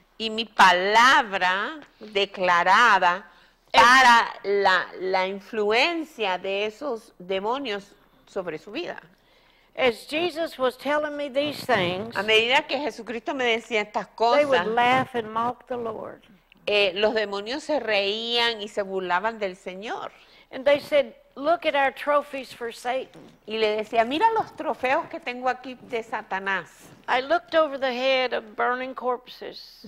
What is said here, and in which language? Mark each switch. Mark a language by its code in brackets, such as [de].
[es] Y mi palabra declarada para la influencia de esos demonios sobre su vida. [en] As Jesus was telling me these things, [es] a medida que Jesucristo me decía estas cosas, [en] they would laugh and mock the Lord. [es] Los demonios se reían y se burlaban del Señor. [en] And they said, "Look at our trophies for Satan." [es] Y le decía, mira los trofeos que tengo aquí de Satanás. [en] I looked over the head of burning corpses.